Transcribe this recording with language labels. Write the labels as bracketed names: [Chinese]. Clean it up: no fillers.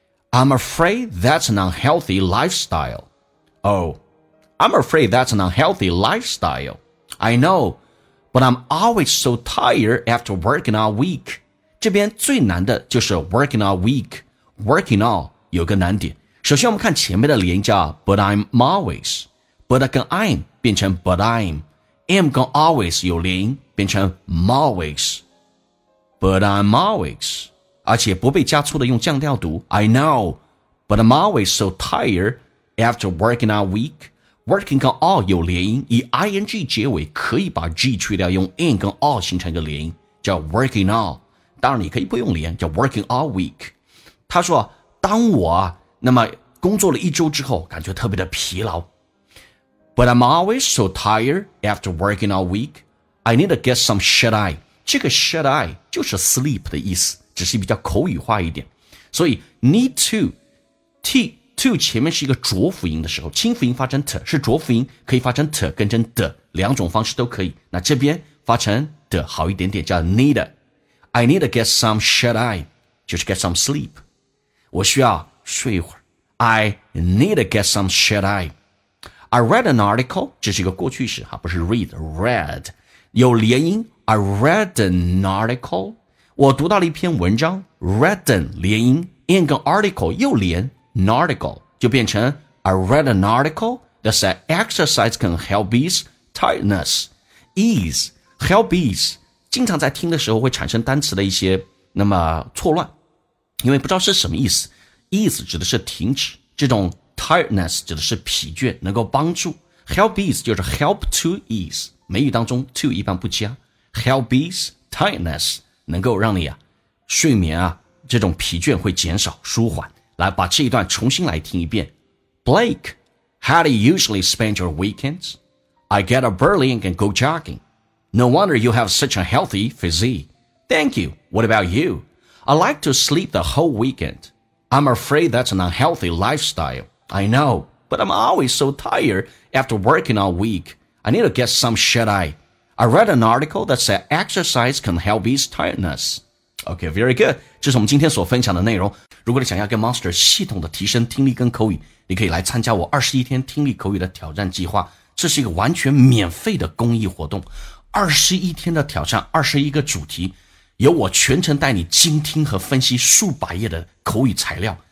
[English] I'm afraid that's an unhealthy lifestyle. I'm afraid that's an unhealthy lifestyle. I knowBut I'm always so tired after working all week. [Chinese] 这边最难的就是 [English] working all week. [Chinese] Working all 有个难点。首先我们看前面的连叫 [English] But I'm always. But 跟 I'm 变成 But I'm. [Chinese] Am 跟 always 有连变成 always. [English] But I'm always. [Chinese] 而且不被加粗的用降调读。 [English] I know. But I'm always so tired after working all week. [Chinese] Working 跟 all 有连音，以 ing 结尾可以把 g 去掉，用 in 跟 all 形成一个连音，叫 [English] working all。 [Chinese] 当然你可以不用连，叫 [English] working all week。 [Chinese] 他说，当我那么工作了一周之后感觉特别的疲劳。 [English] But I'm always so tired after working all week. I need to get some shut eye. [Chinese] 这个 shut eye 就是 sleep 的意思，只是比较口语化一点。所以 need to, to 前面是一个浊辅音的时候，清辅音发成 t 是浊辅音，可以发成 t 跟成 d 两种方式都可以。那这边发成 d 好一点点，叫 need. [English] I need to get some shut eye. [Chinese] 就是 get some sleep. 我需要睡一会儿。 [English] I need to get some shut eye. I read an article, [Chinese] 这是一个过去式，不是 read, read, 有连音 [English] I read an article, 我读到了一篇文章 read an, 连音 in 跟 article, 又连 an article, 就变成 I read an article that said exercise can help ease tiredness, [Chinese] ease, [English] help ease, [Chinese] 经常在听的时候会产生单词的一些那么错乱，因为不知道是什么意思， ease 指的是停止，这种Tiredness 指的是疲倦，能够帮助。 [English] Help ease [Chinese] 就是 [English] help to ease。 [Chinese] 美语当中 to 一般不加。 [English] Help ease tiredness [Chinese] 能够让你啊睡眠啊这种疲倦会减少舒缓。来把这一段重新来听一遍。 [English] Blake, how do you usually spend your weekends? I get up early and go jogging. No wonder you have such a healthy physique. Thank you. What about you? I like to sleep the whole weekend. I'm afraid that's an unhealthy lifestyle. I know, but I'm always so tired after working all week. I need to get some shut eye. I read an article that said exercise can help ease tiredness. Okay, very good. [Chinese] 这是我们今天所分享的内容。如果你想要跟 Monster 系统的提升听力跟口语，你可以来参加我21天听力口语的挑战计划。这是一个完全免费的公益活动。21天的挑战21个主题，由我全程带你精听和分析数百页的口语材料。